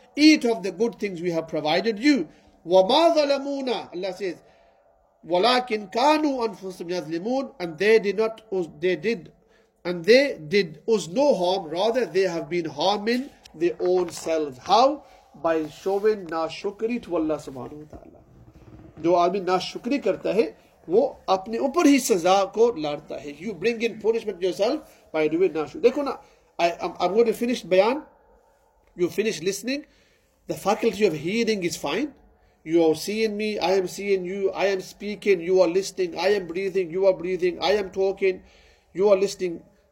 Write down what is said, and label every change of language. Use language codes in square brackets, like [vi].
[en] Eat of the good things we have provided you. [ar] وَمَا ظَلَمُونَ [en] Allah says, [ar] وَلَاكِنْ كَانُوا أَنفُسَهُمْ يَظْلِمُونَ [en] And they did us no harm. Rather, they have been harming their own selves. How? By showing nashukri to Allah subhanahu wa ta'ala. [ur] جو آدمی ناشکری کرتا ہے وہ اپنے اوپر ہی سزا کو لاتا ہے. [en] You bring in punishment yourself by doing ناشکری. [ur] دیکھو نا, [en] I'm going to finish بیان. You finish listening. The faculty of hearing is fine. You are seeing me, I am seeing you, I am speaking, you are listening, I am breathing, you are breathing, I am talking, you are listening.